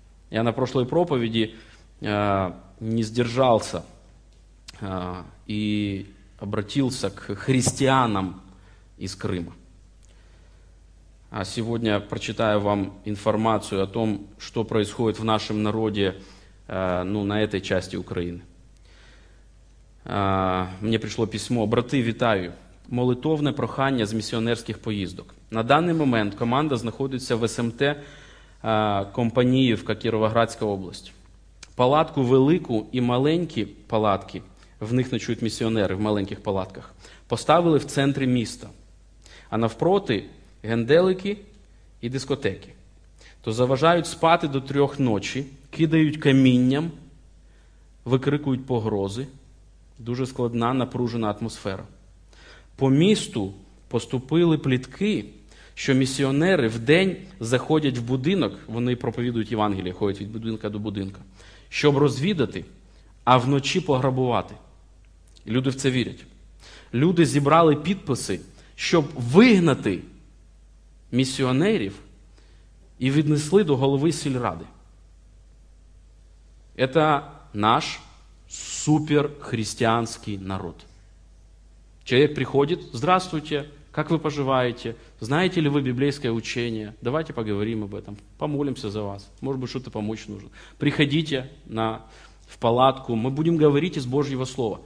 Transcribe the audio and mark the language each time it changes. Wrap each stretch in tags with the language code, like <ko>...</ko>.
<ru>Я на прошлой проповеди не сдержался и обратился к христианам из Крыма. А сегодня прочитаю вам информацию о том, что происходит в нашем народе, ну, на этой части Украины. Мне пришло письмо.</ru> <uk>Брати, вітаю. Молитовне прохання з місіонерських поїздок. На даний момент команда знаходиться в СМТ Компаніївка Кіровоградська область. Палатку велику і маленькі палатки, в них ночують місіонери в маленьких палатках, поставили в центрі міста. А навпроти генделики і дискотеки. То заважають спати до трьох ночі, кидають камінням, викрикують погрози. Дуже складна, напружена атмосфера. По місту поступили плітки, що місіонери вдень заходять в будинок, вони проповідують Євангеліє, ходять від будинка до будинка, щоб розвідати, а вночі пограбувати. Люди в це вірять. Люди зібрали підписи, щоб вигнати місіонерів і віднесли до голови сільради.</uk> <ru>Это наш суперхристианский народ. Человек приходит, здравствуйте, как вы поживаете? Знаете ли вы библейское учение? Давайте поговорим об этом, помолимся за вас. Может быть, что-то помочь нужно. Приходите в палатку, мы будем говорить из Божьего слова.</ru>